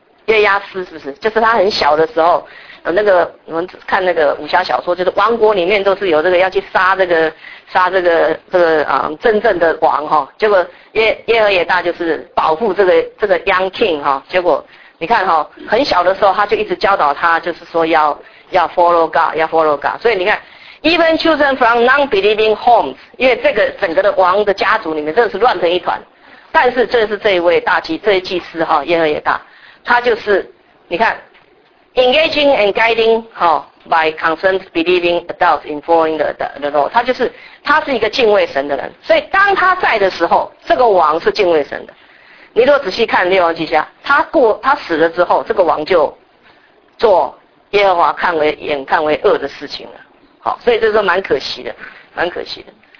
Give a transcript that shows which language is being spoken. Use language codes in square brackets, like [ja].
[zh] 耶押斯是不是？就是他很小的时候，那个我们看那个武侠小说，就是王国里面都是有这个要去杀这个杀这个这个啊、真正的王哈、哦。结果耶和也大就是保护这个这个 [en] young king [zh] 哈、哦。结果你看哈、哦，很小的时候他就一直教导他，就是说要 [en] follow God， [zh] 要 follow God。所以你看 ， [en] even children from non-believing homes， [zh] 因为这个整个的王的家族里面真的是乱成一团。但是这是这一位大祭这一祭司哈、哦，耶和也大，他就是你看。 [en] Engaging and guiding, by concerned believing adults in following the law. [zh] 他就是他是一个敬畏神的人，所以当他在的时候，这个王是敬畏神的。你如果仔细看列王记下，他死了之后，这个王就做耶和华看为眼看为恶的事情了。好，所以这是蛮可惜的，蛮可惜的。